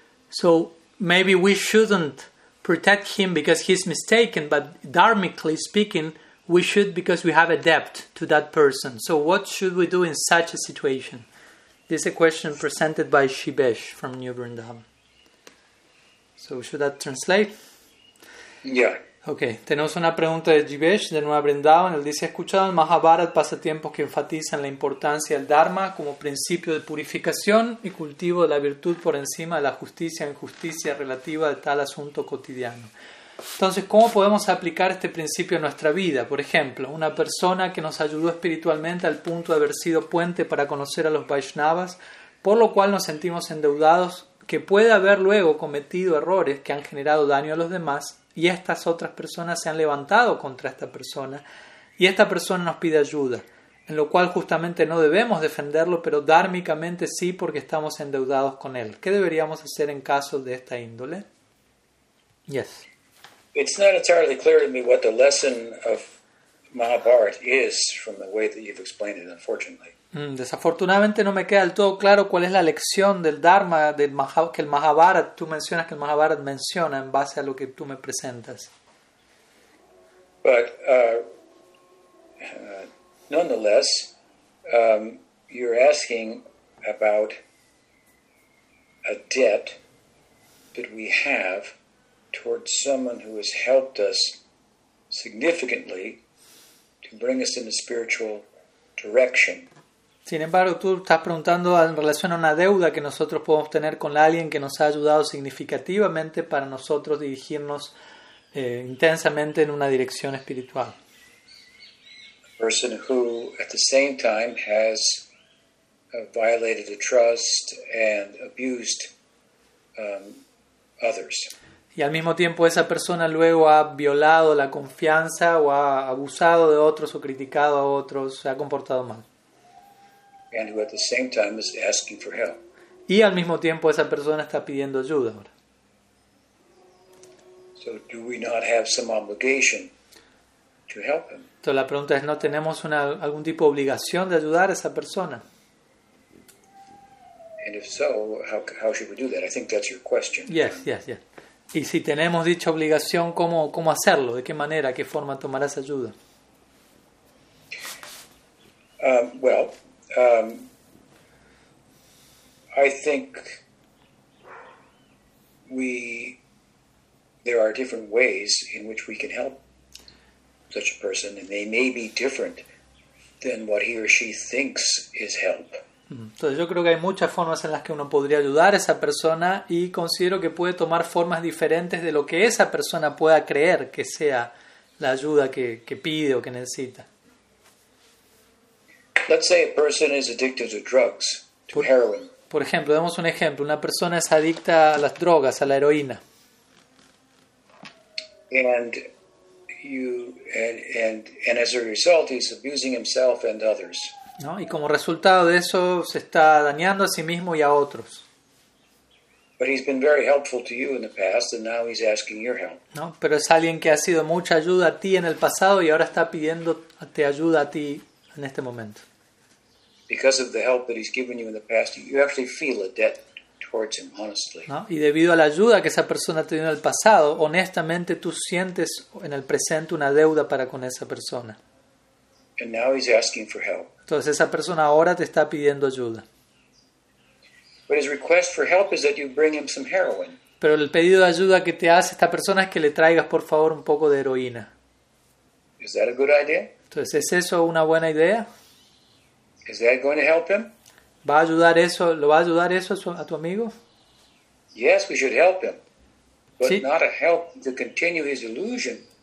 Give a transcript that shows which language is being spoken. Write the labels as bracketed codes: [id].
[en] So maybe we shouldn't protect him because he's mistaken, but dharmically speaking, we should, because we have a debt to that person. So what should we do in such a situation? This is a question presented by Shibesh from New Brindavan. So should that translate? Yeah. [es] Okay, tenemos una pregunta de Jivesh de Nueva Vrindavan. Él dice, ¿ha escuchado el Mahabharat pasatiempos que enfatizan la importancia del Dharma como principio de purificación y cultivo de la virtud por encima de la justicia e injusticia relativa de tal asunto cotidiano? Entonces, ¿cómo podemos aplicar este principio en nuestra vida? Por ejemplo, una persona que nos ayudó espiritualmente al punto de haber sido puente para conocer a los Vaishnavas, por lo cual nos sentimos endeudados, que puede haber luego cometido errores que han generado daño a los demás, y estas otras personas se han levantado contra esta persona, y esta persona nos pide ayuda, en lo cual justamente no debemos defenderlo, pero dármicamente sí, porque estamos endeudados con él. ¿Qué deberíamos hacer en casos de esta índole? [en] Yes. It's not entirely clear to me what the lesson of Mahabharata is from the way that you've explained it, unfortunately. [es] Desafortunadamente no me queda del todo claro cuál es la lección del Dharma del que el Mahabharat tú mencionas, que el Mahabharat menciona en base a lo que tú me presentas. [en] But nonetheless, you're asking about a debt that we have towards someone who has helped us significantly to bring us in a spiritual direction. [es] Sin embargo, tú estás preguntando en relación a una deuda que nosotros podemos tener con alguien que nos ha ayudado significativamente para nosotros dirigirnos intensamente en una dirección espiritual. [en] A person who at the same time has violated a trust and abused others. [es] Y al mismo tiempo esa persona luego ha violado la confianza o ha abusado de otros o criticado a otros, se ha comportado mal. [en] And who at the same time is asking for help. [es] Y al mismo tiempo esa persona está pidiendo ayuda ahora. [en] So do we not have some obligation to help him? [es] Entonces la pregunta es, ¿no tenemos algún tipo de obligación de ayudar a esa persona? [en] And if so, how should we do that? I think that's your question. Yes, yes, yes. [es] Y si tenemos dicha obligación, ¿cómo hacerlo? ¿De qué manera? ¿Qué forma tomar esa ayuda? [en] I think there are different ways in which we can help such a person, and they may be different than what he or she thinks is help. [es] Entonces yo creo que hay muchas formas en las que uno podría ayudar a esa persona, y considero que puede tomar formas diferentes de lo que esa persona pueda creer que sea la ayuda que pide o que necesita. [en] Let's say a person is addicted to drugs, to heroin. [es] Por ejemplo, demos un ejemplo. Una persona es adicta a las drogas, a la heroína. [en] And as a result, he's abusing himself and others. [es] ¿No? Y como resultado de eso, se está dañando a sí mismo y a otros. [en] But he's been very helpful to you in the past, and now he's asking your help. [es] ¿No? Pero es alguien que ha sido mucha ayuda a ti en el pasado y ahora está pidiendo te ayuda a ti en este momento. [en] Because of the help that he's given you in the past, you actually feel a debt towards him, honestly. [es] ¿No? Y debido a la ayuda que esa persona te dio en el pasado, honestamente tú sientes en el presente una deuda para con esa persona. [en] And now he's asking for help. [es] Entonces esa persona ahora te está pidiendo ayuda. [en] But his request for help is that you bring him some heroin. [es] Pero el pedido de ayuda que te hace esta persona es que le traigas por favor un poco de heroína. [en] Is that a good idea? [es] Entonces, ¿es eso una buena idea? [en] Is that going to help him? [es] ¿Va a ayudar eso? ¿Lo va a ayudar eso a tu amigo? [en] Yes, we should help him. But sí. Not a help to continue his illusion.